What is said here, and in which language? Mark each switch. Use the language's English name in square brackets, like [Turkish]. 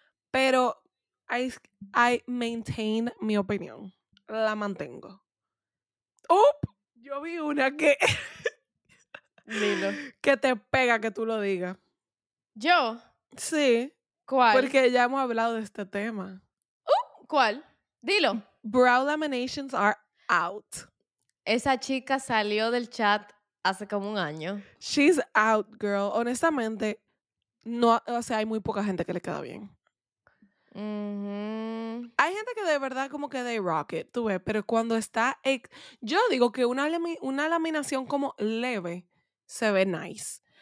[Spanish] Pero [English] I maintain [Spanish] mi opinión. La mantengo. ¡Up! Yo vi una que... Dilo. Que te pega que tú lo digas. ¿Yo? Sí. ¿Cuál? Porque ya hemos hablado de este tema. ¿Cuál? Dilo. [English] Brow laminations are out. [Spanish] Esa chica salió del chat hace como un año. [English] She's out, girl. [Spanish] Honestamente, no, o sea, hay muy poca gente que le queda bien. Hay gente que de verdad como que [English] they rock it, [Spanish] tú ves. Pero cuando está... yo digo que una laminación como leve se ve nice.